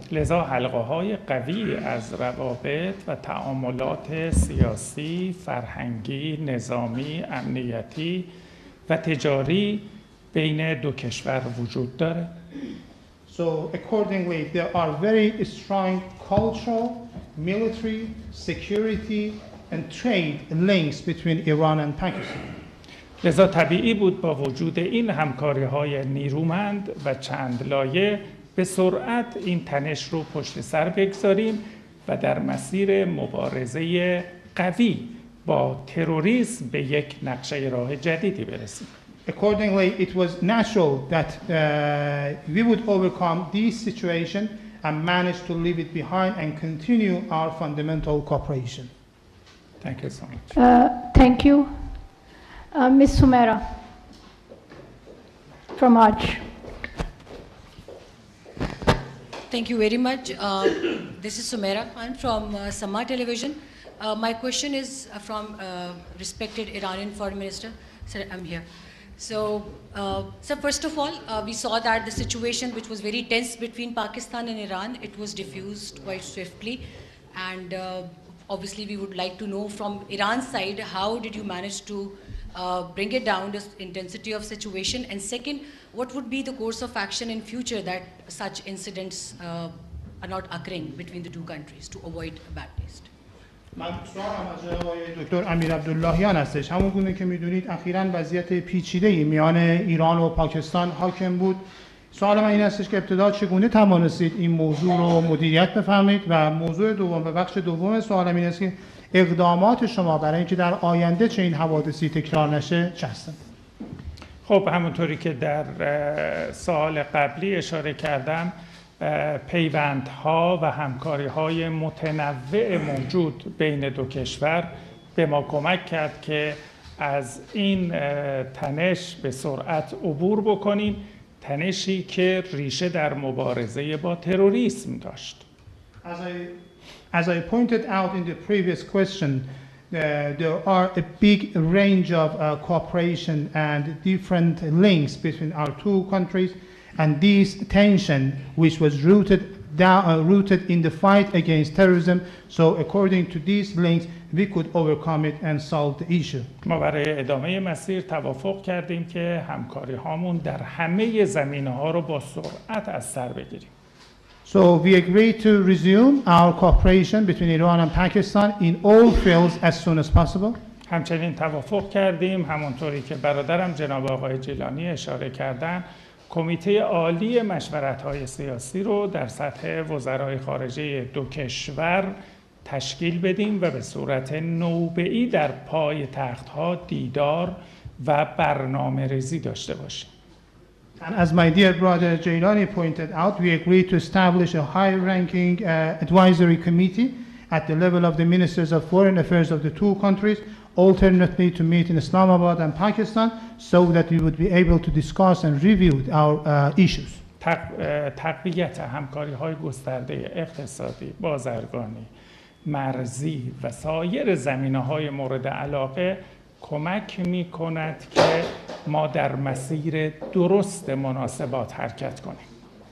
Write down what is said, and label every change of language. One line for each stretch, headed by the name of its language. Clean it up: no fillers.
Persian: لذا حلقه‌های قوی از روابط و تعاملات سیاسی، فرهنگی، نظامی، امنیتی و تجاری بین دو کشور وجود داره.
English: So accordingly, there are very strong cultural, military, security, and trade links between Iran and Pakistan.
Persian: لذا طبیعی بود با وجود این همکاری‌های نیرومند و چند لایه به سرعت این تنش رو پشت سر بگذاریم و در مسیر مبارزه قوی با تروریسم به یک نقشه راه جدیدی برسیم.
English: Accordingly, it was natural that we would overcome this situation and manage to leave it behind and continue our fundamental cooperation. Thank you so much. Thank you. Ms. Sumera from Aaj. Thank you very much. This is Sumera. I'm from Samar Television. My question is from respected Iranian Foreign Minister. Sir, I'm here. So first of all, we saw that the situation which was very tense between Pakistan and Iran, it was diffused quite swiftly. And obviously we would like to know from Iran's side, how did you manage to bring it down, the intensity of situation? And second, what would be the course of action in future that such incidents are not occurring between the two countries to avoid a bad taste?
Persian: من سوالم از دکتر امیرعبداللهیان هستش همون گونه که میدونید اخیراً وضعیت پیچیده میان ایران و پاکستان حاکم بود سوال من این هستش که ابتدا چگونه توانستید این موضوع رو مدیریت بفرمایید و موضوع دوم و بخش دوم سوالم این است که اقدامات شما برای اینکه در آینده چنین حوادثی تکرار نشه چه هستند خب همونطوری که در سوال قبلی اشاره کردم پیوندها و همکاری‌های متنوع موجود بین دو کشور به ما کمک کرد که از این تنش به سرعت عبور بکنیم تنشی که ریشه در مبارزه با تروریسم داشت
English: As I pointed out in the previous question there are a big range of cooperation and different links between our two countries And this tension, which was rooted in the fight against terrorism, so according to these links, we could overcome it and solve the issue.
Persian: ما برای ادامه مسیر توافق کردیم که همکاری هامون در همه زمینه ها رو با سرعت از سر بگیریم.
English: So we agreed to resume our cooperation between Iran and Pakistan in all fields as soon as possible.
Persian: همچنین توافق کردیم همونطوری که برادرم جناب آقای جیلانی اشاره کردن کمیته عالی مشورت‌های سیاسی رو در سطح وزرای خارجه دو کشور تشکیل بدیم و به صورت نوبه‌ای در پای تخت‌ها دیدار و برنامه ریزی داشته باشیم.
English: And as my dear brother Jilani pointed out, we agreed to establish a high-ranking advisory committee at the level of the ministers of foreign affairs of the two countries, alternately to meet in Islamabad and Pakistan, so that we would be able to discuss and review our issues.
Persian: تقویت همکاری‌های گسترده اقتصادی، بازرگانی، مرزی و سایر زمینه‌های مورد علاقه کمک می‌کند که ما در مسیر درست مناسبات حرکت کنیم.